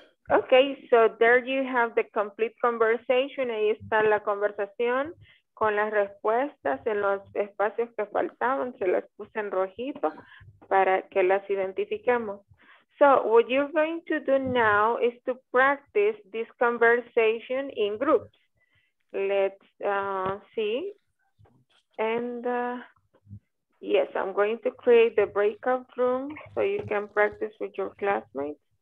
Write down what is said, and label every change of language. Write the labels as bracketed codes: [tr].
[en] Okay, so there you have the complete conversation. [es] Ahí está la conversación con las respuestas en los espacios que faltaban. Se las puse en rojito para que las identifiquemos. [en] So what you're going to do now is to practice this conversation in groups. Let's see. And yes, I'm going to create the breakout room so you can practice with your classmates.